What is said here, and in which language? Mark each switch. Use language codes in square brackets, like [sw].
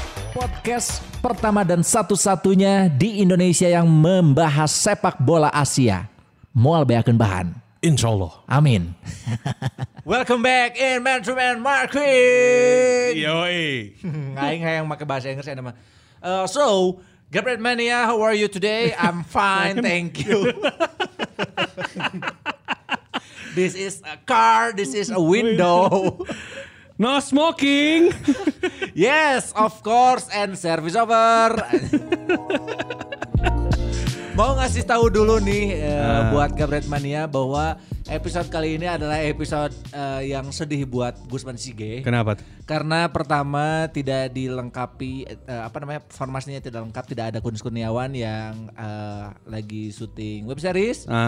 [id] Podcast pertama dan satu-satunya di Indonesia yang membahas sepak bola Asia. [su] Moal beakeun bahan. [id] Insya Allah. Amin. [en] Welcome back in Man to Man Marking. [id] Yoi. [su] Aing hayang make bahasa Inggris ya nama. [en] So, Gabriel Mania, how are you today? I'm fine, thank you. This is a car, this is a window. No smoking. Yes, of course, and service over. [id] Mau ngasih tahu dulu nih buat Gabret Mania bahwa episode kali ini adalah episode yang sedih buat Gusman Sige. Kenapa? Karena pertama tidak dilengkapi, formasinya tidak lengkap, tidak ada Kunis Kurniawan yang lagi syuting web series.